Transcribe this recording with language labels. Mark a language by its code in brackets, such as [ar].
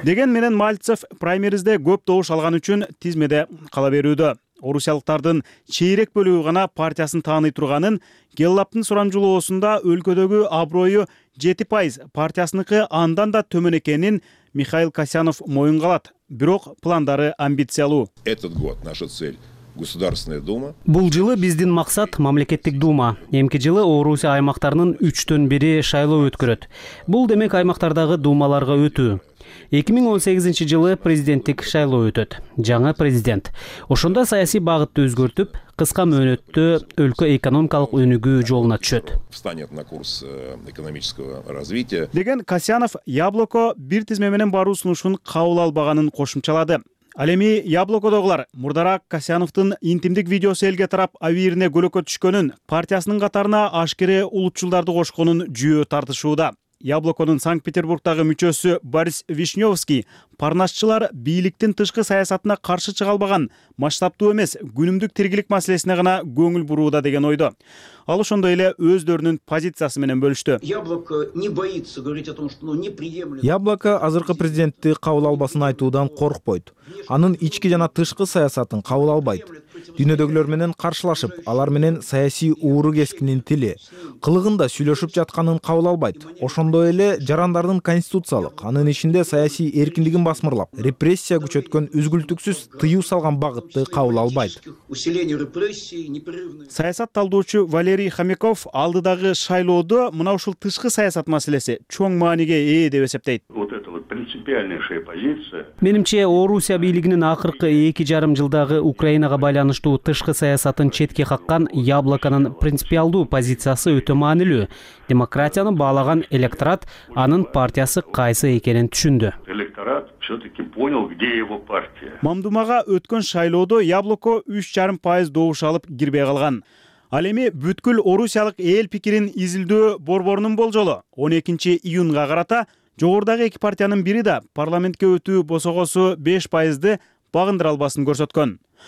[ky] Деген менен Мальцев праймеризде көп добуш алган үчүн тизмеде кала берүүдө. Орусиялыктардын чейрек бөлүгү гана партиясын тааный турганын, Геллаптын сурамжылоосунда өлкөдөгү аброю 7% партиясыныкы андан да төмөн экенин Михаил Касьянов моюнгалат. Бирок пландары амбициялуу. [ru] Этот год наша цель — Государственная дума. [ky] Бул жылы биздин максат мамлекеттик дума. Эмки жылы Орусия аймактарынын 3-тен 1-и шайлоо өткөрөт. Бул демек аймактардагы думаларга өтүү. 2018 жылы президенттик шайлоо өтөт. Жаңы президент. Ошондо саясий багытты өзгөртүп, кыска мөөнөттө өлкө экономикалык өнүгүү жолуна түшөт. [ru] Станет на курс экономического развития. [ky] Деген Касьянов Яблоко бир тизме менен баруу сунушун кабыл албаганын кошумчалады. Ал эми Яблокодогулар мурдараак Касьяновдун интимдик видеосу элге тарап авирине көлөкө түшкөнүн, партиясынын катарына ашкере улутчулдарды кошконун жүйө тартышууда. Яблоконун Санкт-Петербургтагы мүчөсү Борис Вишневский парнашчылар бийликтин тышкы саясатына каршы чыга албаган, масштабтуу эмес күнүмдүк тиргилик маселесине гана көңүл бурууда деген ойдо. Ал ошондой эле өздөрүнүн позициясы менен бөлүштү. [ru] Яблоко не боится говорить о том, что оно неприемлемо. [ky] Яблоко азыркы президентти кабыл албасын айтуудан коркпойт. Анын ички жана тышкы саясатын кабыл албайт. Дүйнөдөгүлөр менен каршылашып, алар менен саясий ууру кескинин тили, кылыгында сүйлөшүп жатканын кабыл албайт. Ошондой эле жарандардын конституциялык, анын ичинде саясий эркиндигин басмырлап, репрессия күчөткөн үзгүлтүксүз тыюу салган багытты кабыл албайт. Саясат талдоочу Валерий Хомяков алдыдагы шайлоодо мына ушул тышкы саясат маселеси чоң мааниге ээ деп эсептейт. [ru] Принципиальнейшая позиция. [ky] Менимче Орусия бийлигинин акыркы 2.5 жылдагы Украинага байланыштуу тышкы саясатын четке каккан Яблоконун принципиалдуу позициясы өтө маанилүү. Демократияны баалаган электорат анын партиясы кайсы экенин түшүндү. [ru] Электорат все-таки понял, где его партия. [ky] Мамдумага өткөн шайлоодо Яблоко 3.5% добуш алып кирбей калган. Ал эми бүткүл орусиялык эл пикирин изилдөө борборунун болжолу 12 июнга карата жогорудагы эки партиянын бири да парламентке өтүү босогосу 5% багындыра албасын көрсөткөн.